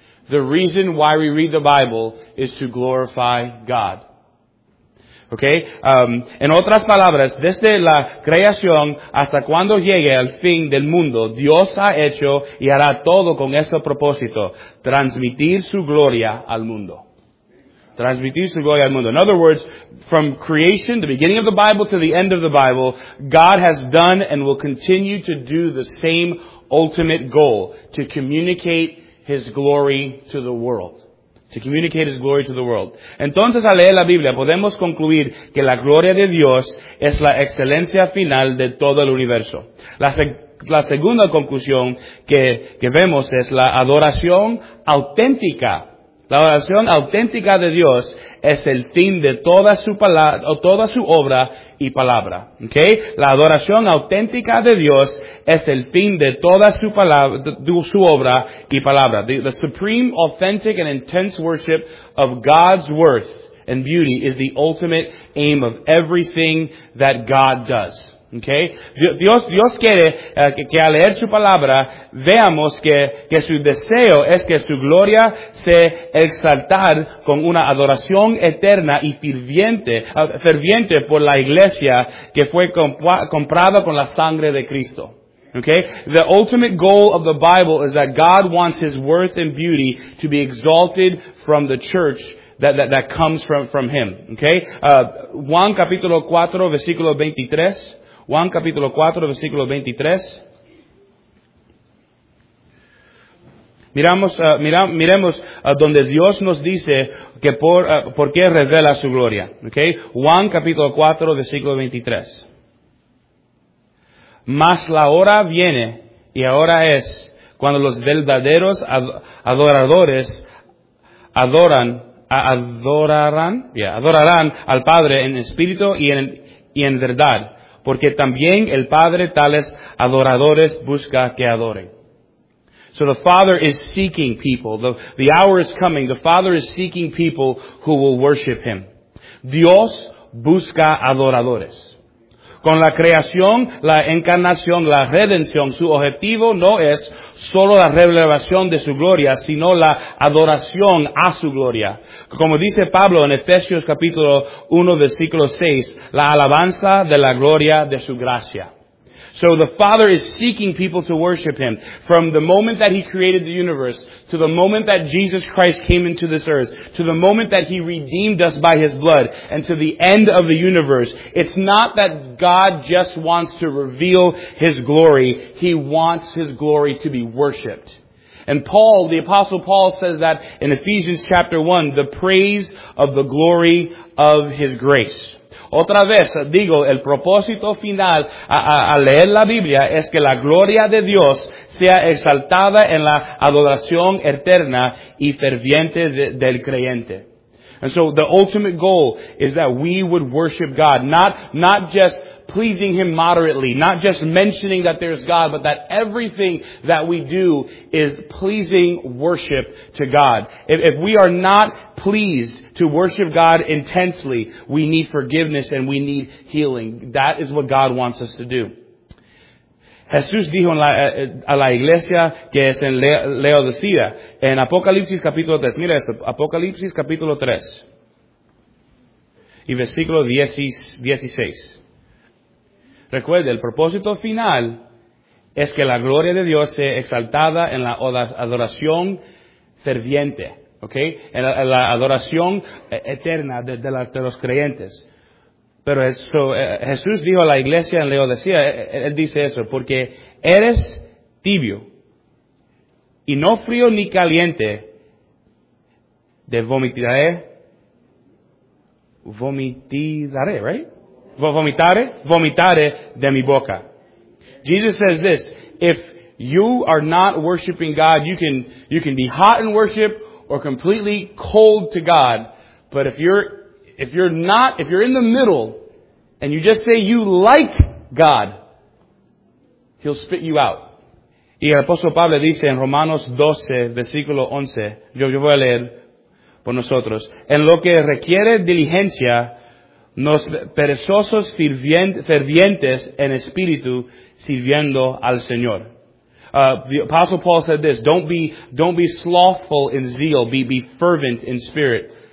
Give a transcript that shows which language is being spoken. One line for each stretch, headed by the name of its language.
English: The reason why we read the Bible is to glorify God. Okay?
Spanish: En otras palabras, desde la creación hasta cuando llegue el fin del mundo, Dios ha hecho y hará todo con ese propósito, transmitir su gloria al mundo. Transmitir su gloria al mundo.
English: In other words, from creation, the beginning of the Bible to the end of the Bible, God has done and will continue to do the same ultimate goal, to communicate His glory to the world. To communicate His glory to the world.
Spanish: Entonces, al leer la Biblia, podemos concluir que la gloria de Dios es la excelencia final de todo el universo. La segunda conclusión que vemos es la adoración auténtica. La adoración auténtica de Dios es el fin de toda su obra y palabra. ¿Okay? La adoración auténtica de Dios es el fin de toda su su obra y palabra.
English: The supreme, authentic, and intense worship of God's worth and beauty is the ultimate aim of everything that God does.
Spanish: Okay, Dios quiere que al leer su palabra veamos que su deseo es que su gloria se exaltar con una adoración eterna y ferviente por la iglesia que fue comprada con la sangre de Cristo.
English: Okay, the ultimate goal of the Bible is that God wants His worth and beauty to be exalted from the church that comes from Him.
Spanish: Okay, Juan capítulo 4 versículo 23. Juan capítulo 4, versículo 23. Miremos donde Dios nos dice que por qué revela su gloria. Okay? Juan capítulo 4, versículo 23. Mas la hora viene, y ahora es, cuando los verdaderos adoradores adorarán al Padre en espíritu y en verdad. Porque también el Padre tales adoradores busca que adoren.
English: So the Father is seeking people. The hour is coming. The Father is seeking people who will worship Him.
Spanish: Dios busca adoradores. Con la creación, la encarnación, la redención, su objetivo no es solo la revelación de su gloria, sino la adoración a su gloria. Como dice Pablo en Efesios capítulo 1, versículo 6, la alabanza de la gloria de su gracia.
English: So the Father is seeking people to worship Him. From the moment that He created the universe, to the moment that Jesus Christ came into this earth, to the moment that He redeemed us by His blood, and to the end of the universe, it's not that God just wants to reveal His glory. He wants His glory to be worshipped. And Paul, the Apostle Paul, says that in Ephesians chapter 1, the praise of the glory of His grace.
Spanish: Otra vez, digo, el propósito final al leer la Biblia es que la gloria de Dios sea exaltada en la adoración eterna y ferviente del creyente.
English: And so the ultimate goal is that we would worship God, not just pleasing Him moderately, not just mentioning that there's God, but that everything that we do is pleasing worship to God. If we are not pleased to worship God intensely, we need forgiveness and we need healing. That is what God wants us to do.
Spanish: Jesús dijo a la iglesia que es en Laodicea, en Apocalipsis capítulo 3. Mira esto, Apocalipsis capítulo 3 y versículo 16. Recuerde, el propósito final es que la gloria de Dios sea exaltada en la adoración ferviente, ¿okay? En la adoración eterna de los creyentes. Pero eso, Jesús dijo a la iglesia en Laodicea, Él dice eso, porque eres tibio, y no frío ni caliente, te vomitaré, vomitaré de mi boca.
English: Jesus says this, if you are not worshiping God, you can be hot in worship or completely cold to God, but if you're in the middle, and you just say you like God, He'll spit you out.
Spanish: Y el apóstol Pablo dice en Romanos 12, versículo 11, yo voy a leer por nosotros, en lo que requiere diligencia, nos perezosos fervientes en espíritu sirviendo al Señor.
English: The apostle Paul said this, don't be slothful in zeal, be fervent in spirit.